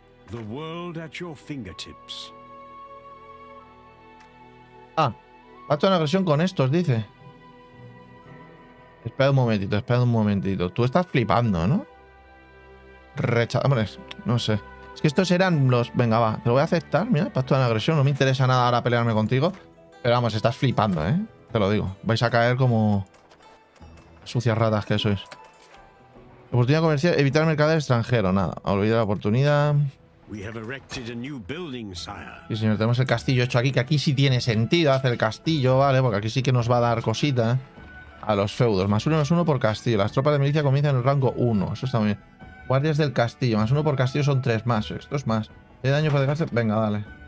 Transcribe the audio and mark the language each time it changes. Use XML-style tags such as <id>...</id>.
<en>The world at your fingertips.</en> <es>Ah, pacto de una agresión con estos, dice. Espera un momentito. Tú estás flipando, ¿no? Hombre, no sé. Es que estos eran los... Venga, va, te lo voy a aceptar, mira, pacto de una agresión. No me interesa nada ahora pelearme contigo. Pero vamos, estás flipando, ¿eh? Te lo digo. Vais a caer como... sucias ratas que sois. Oportunidad comercial, evitar mercader extranjero. Nada, olvidé la oportunidad.</es> <en>We have erected a new building, sire.</en> <es>Sí, señor, tenemos el castillo hecho aquí, que aquí sí tiene sentido hacer el castillo, ¿vale? Porque aquí sí que nos va a dar cosita a los feudos. +1/+1 por castillo. Las tropas de milicia comienzan en el rango 1. Eso está muy bien. Guardias del castillo. +1 por castillo son 3 más. Esto es más. ¿Qué daño puede hacer? Venga, dale.</es>